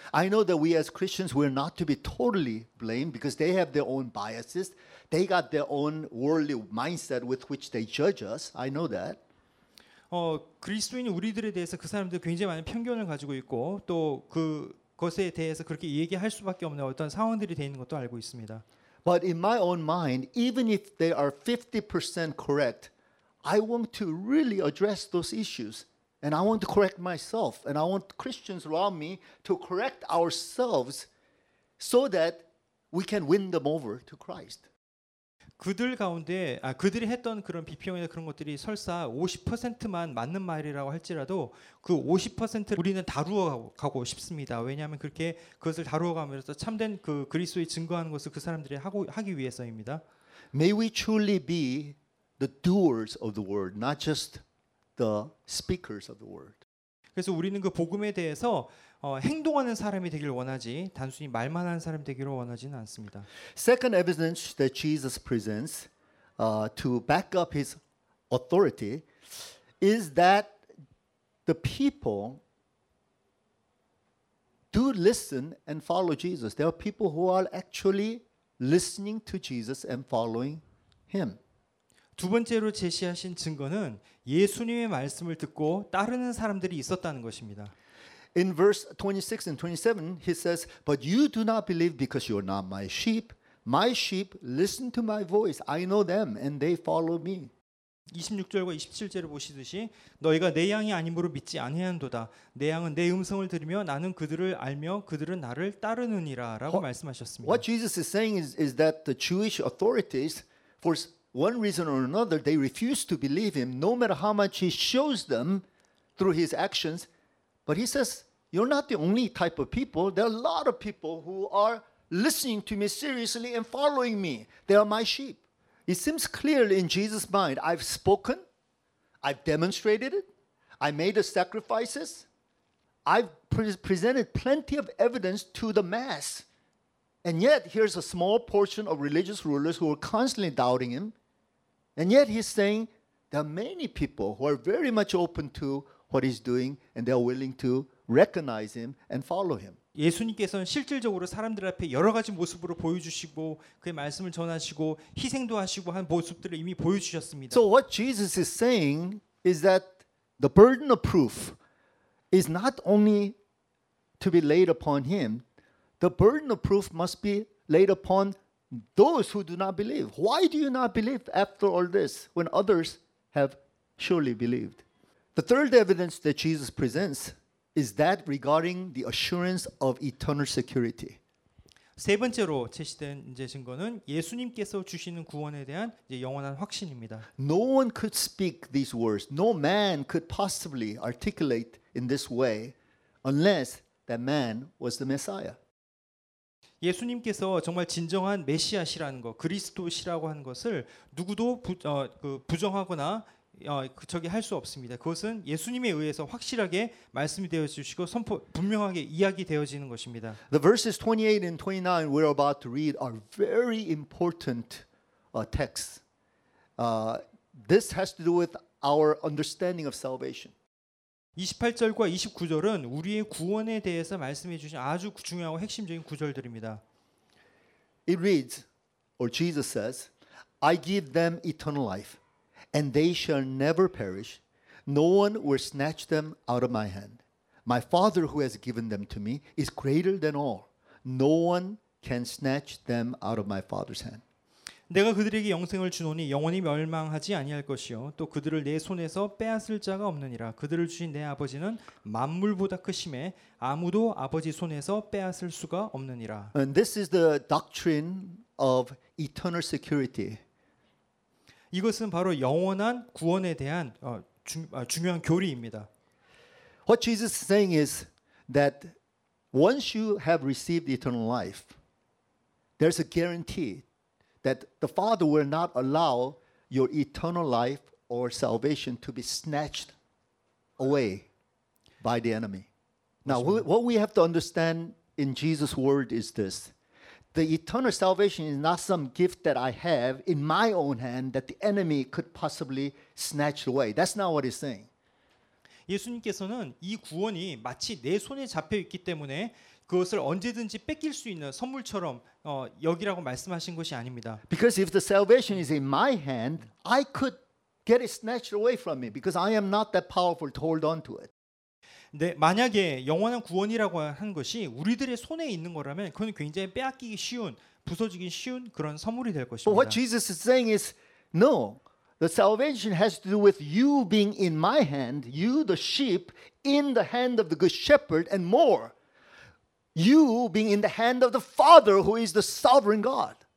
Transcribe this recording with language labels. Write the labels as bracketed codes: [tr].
[en] I know that we as Christians we're not to be totally blamed because they have their own biases. They got their own worldly mindset with which they judge us. I know that. [ko] 그리스도인 우리들에 대해서 그 사람들 굉장히 많은 편견을 가지고 있고 또 그것에 대해서 그렇게 얘기할 수밖에 없는 어떤 상황들이 돼 있는 것도 알고 있습니다. [en] But in my own mind, even if they are 50% correct, I want to really address those issues and I want to correct myself and I want Christians around me to correct ourselves so that we can win them over to Christ. [ko] 그들 가운데 그들이 했던 그런 비평이나 그런 것들이 설사 50%만 맞는 말이라고 할지라도 그 50%를 우리는 다루어 가고 싶습니다. 왜냐하면 그렇게 그것을 다루어 가면서 참된 그 그리스도의 증거하는 것을 그 사람들이 하기 위해서입니다. [en] May we truly be the doers of the word, not just the speakers of the word. [ko] 그래서 우리는 그 복음에 대해서 행동하는 사람이 되기를 원하지 단순히 말만 하는 사람이 되기를 원하지는 않습니다. [en] Second evidence that Jesus presents to back up his authority is that the people do listen and follow Jesus. There are people who are actually listening to Jesus and following him. [ko] 두 번째로 제시하신 증거는 예수님의 말씀을 듣고 따르는 사람들이 있었다는 것입니다. [en] In verse 26 and 27, he says, But you do not believe because you are not my sheep. My sheep listen to my voice. I know them and they follow me. [ko] 26절과 27절을 보시듯이 너희가 내 양이 아니므로 믿지 아니한도다. 내 양은 내 음성을 들으며 나는 그들을 알며 그들은 나를 따르느니라 라고 말씀하셨습니다. [en] What Jesus is saying is that the Jewish authorities for one reason or another, they refuse to believe him, no matter how much he shows them through his actions. But he says, you're not the only type of people. There are a lot of people who are listening to me seriously and following me. They are my sheep. It seems clear in Jesus' mind, I've spoken, I've demonstrated it, I made the sacrifices, I've presented plenty of evidence to the mass. And yet, here's a small portion of religious rulers who are constantly doubting him. And yet, he's saying there are many people who are very much open to what he's doing, and they're willing to recognize him and follow him. [ko] 예수님께서는 실질적으로 사람들 앞에 여러 가지 모습으로 보여주시고 그의 말씀을 전하시고 희생도 하시고 한 모습들을 이미 보여주셨습니다. [en] So what Jesus is saying is that the burden of proof is not only to be laid upon him. The burden of proof must be laid upon those who do not believe. Why do you not believe after all this when others have surely believed? The third evidence that Jesus presents is that regarding the assurance of eternal security. [ko] 세 번째로 제시된 이제 증거는 예수님께서 주시는 구원에 대한 이제 영원한 확신입니다. [en] No one could speak these words. No man could possibly articulate in this way unless that man was the Messiah. [ko] 예수님께서 정말 진정한 메시아시라는 것, 그리스도시라고 한 것을 누구도 부정하거나 저기 할 수 없습니다. 그것은 예수님에 의해서 확실하게 말씀이 되어주시고 선포 분명하게 이야기 되어지는 것입니다. [en] The verses 28 and 29 we're about to read are very important texts. This has to do with our understanding of salvation. [ko] 28절과 29절은 우리의 구원에 대해서 말씀해 주신 아주 중요하고 핵심적인 구절들입니다. [en] It reads, or Jesus says, I give them eternal life. And they shall never perish. No one will snatch them out of my hand. My Father who has given them to me is greater than all. No one can snatch them out of my Father's hand. [ko] 내가 그들에게 영생을 주노니 영원히 멸망하지 아니할 것이요. 또 그들을 내 손에서 빼앗을 자가 없느니라. 그들을 주신 내 아버지는 만물보다 크심에 아무도 아버지 손에서 빼앗을 수가 없느니라. [en] And this is the doctrine of eternal security. [ko] 이것은 바로 영원한 구원에 대한 중요한 교리입니다. [en] What Jesus is saying is that once you have received eternal life, there's a guarantee that the Father will not allow your eternal life or salvation to be snatched away by the enemy. Now, what we have to understand in Jesus' word is this. The eternal salvation is not some gift that I have in my own hand that the enemy could possibly snatch away. That's not what he's saying. [ko] 예수님께서는 이 구원이 마치 내 손에 잡혀 있기 때문에 그것을 언제든지 뺏길 수 있는 선물처럼 여기라고 말씀하신 것이 아닙니다. [en] Because if the salvation is in my hand, I could get it snatched away from me because I am not that powerful to hold on to it. [ko] 네, 만약에 영원한 구원이라고 한 것이 우리들의 손에 있는 거라면 그건 굉장히 빼앗기기 쉬운, 부서지기 쉬운 그런 선물이 될 것입니다. [en] But what Jesus is saying is, no, the salvation has to do with you being in my hand, you the sheep, in the hand of the good shepherd, and more, you being in the hand of the Father who is the sovereign God.